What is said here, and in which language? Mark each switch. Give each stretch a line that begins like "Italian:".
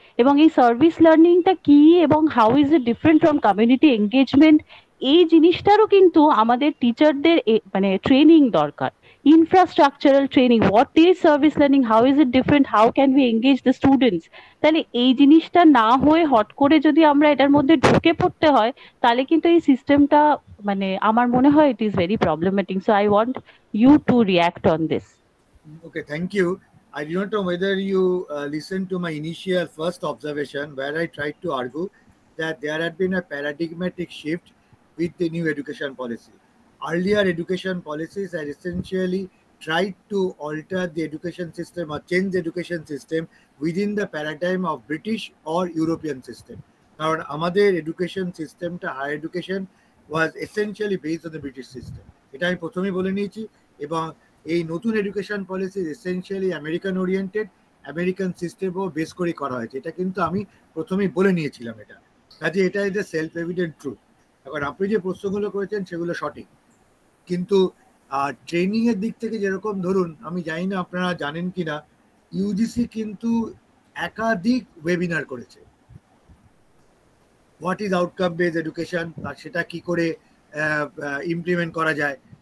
Bangla: এবং এই সার্ভিস লার্নিংটা কি এবং
English: how is it different from community engagement,
Bangla: এই জিনিসটারও কিন্তু আমাদের টিচারদের মানে ট্রেনিং দরকার, infrastructural training,
English: What is service learning, how is it different, how can we engage the students.
Bangla: তাহলে এই জিনিসটা না হয়ে হট করে যদি আমরা এটার মধ্যে ঢুকে পড়তে হয়, তাহলে কিন্তু এই সিস্টেমটা মানে আমার মনে হয়
English: It is very problematic. So I want you to react on this. Okay, thank you. I don't know whether you listened to my initial first observation where I tried to argue that there had been a paradigmatic shift with the new education policy. Earlier education policies had essentially tried to alter the education system or change the education system within the paradigm of British or European system. Now, our education system, higher education, was essentially based on the British system.
Bangla: এটা আমি প্রথমেই বলে নিয়েছি, এবং এই নতুন education policy essentially American oriented, American সিস্টেমও base করে করা হয়েছে, এটা কিন্তু আমি প্রথমেই বলে নিয়েছিলাম। এটা কাজে এটা
English: Is a self evident truth.
Bangla: এখন আপনি যে প্রশ্নগুলো করেছেন সেগুলো সঠিক, কিন্তু ট্রেনিংয়ের দিক থেকে যেরকম ধরুন, আমি জানি না আপনারা জানেন কি না, UGC কিন্তু একাধিক ওয়েবিনার করেছে,
English: what is outcome based education,
Bangla: আর সেটা কী করে ইমপ্লিমেন্ট করা যায়,